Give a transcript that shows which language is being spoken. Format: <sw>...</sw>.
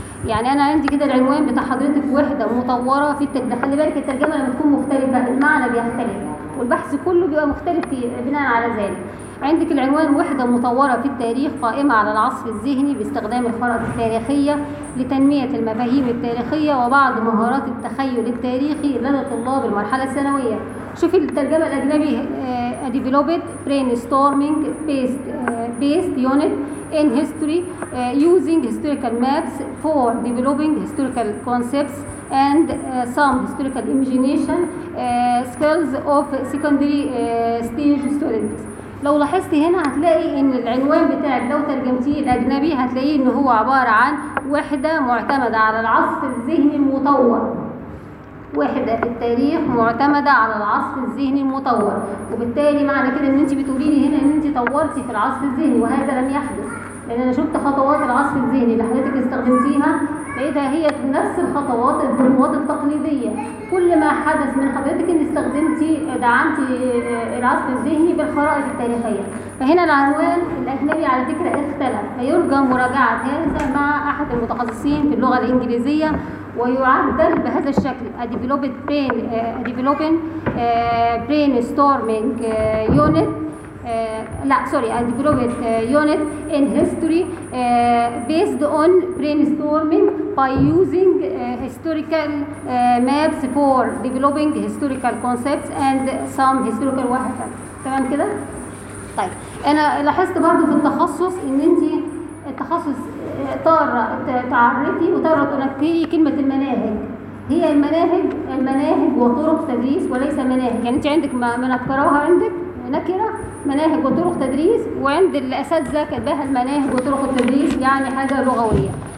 <ar>يعني انا عندي كده العنوان بتاع حضرتك وحده مطوره في التجربه، خلي بالك الترجمه لما تكون مختلفه المعنى بيختلف والبحث كله بيبقى مختلف في بناء على ذلك. عندك العنوان وحده مطوره في التاريخ قائمه على العصف الذهني باستخدام الخرائط التاريخيه لتنميه المفاهيم التاريخيه وبعض مهارات التخيل التاريخي لدى طلاب المرحله الثانويه. شوفي الترجمه الاجنبي</ar> <en>developed brainstorming based unit in history using historical maps for developing historical concepts and some historical imagination skills of secondary stage students.</en> <ar>لو لاحظت هنا هتلاقي ان العنوان بتاعك لو ترجمتيه الاجنبي هتلاقيه ان هو عبارة عن وحدة معتمدة على العصف الذهني المطور، وحدة في التاريخ معتمدة على العصف الذهني المطور، وبالتالي معنى كده ان انت بتقولي لي هنا ان انت طورتي في العصف الذهني، وهذا لم يحدث، لان انا شفت خطوات العصف الذهني اللي حضرتك استخدمتيها لقيتها هي نفس الخطوات الخطوات التقليدية. كل ما حدث من حضرتك ان استخدمتي دعمتي العصف الذهني بالخرائط التاريخية. فهنا العنوان الاجنبي على فكرة اختلف، فيرجى مراجعة هذا مع احد المتخصصين في اللغة الانجليزية، ويعدل بهذا الشكل</ar> <en>developing brainstorming unit</en> <ar>لا سوري</ar> <en>developed unit in history based on brainstorming by using historical maps for developing historical concepts and some historical</en> <ar>واحدة. تمام كده؟ طيب انا لاحظت برضو في التخصص ان انت التخصص طار تعرفي وطار تنكري كلمة المناهج هي المناهج وطرق تدريس وليس مناهج. يعني انت عندك ما نكرها عندك نكرة مناهج وطرق تدريس وعند الأساتذة كتبها المناهج وطرق التدريس يعني حاجة لغوية.</ar>